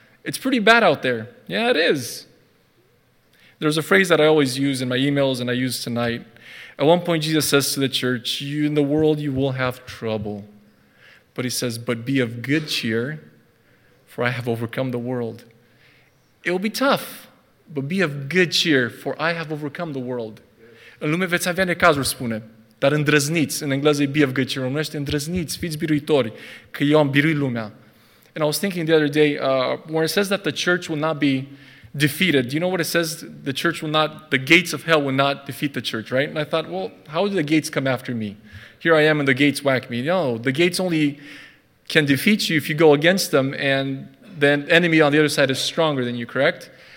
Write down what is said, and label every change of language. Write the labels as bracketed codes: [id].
[en] It's pretty bad out there. Yeah, it is. There's a phrase that I always use in my emails and I use tonight. At one point, Jesus says to the church, you in the world, you will have trouble. But he says, but be of good cheer, for I have overcome the world. It will be tough, but be of good cheer, for I have overcome the world. [ro] În lume veți avea necazuri, spune. Dar îndrăzniți, în engleză, [en] be of good cheer. [ro] Românește, îndrăzniți, fiți biruitori, că eu am biruit lumea. [en] And I was thinking the other day, where it says that the church will not be defeated, do you know what it says? The church will not, the gates of hell will not defeat the church, right? And I thought, well, how do the gates come after me? Here I am and the gates whack me. No, the gates only can defeat you if you go against them, and then enemy on the other side is stronger than you, correct?